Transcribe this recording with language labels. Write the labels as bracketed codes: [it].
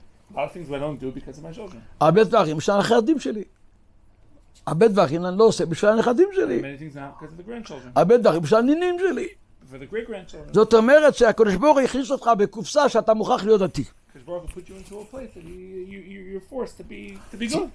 [en] A lot of things I don't do because of my children. A lot of things I don't do because of my children. Many things not because of the grandchildren. A lot of things I don't do because of my children. For the great-grandchildren. [he] זאת אומרת שהקדוש ברוך הוא הכניס אותך בקופסה שאתה מוכרח להיות דתי. [en] Because the Lord put you into a place that you're forced to be good.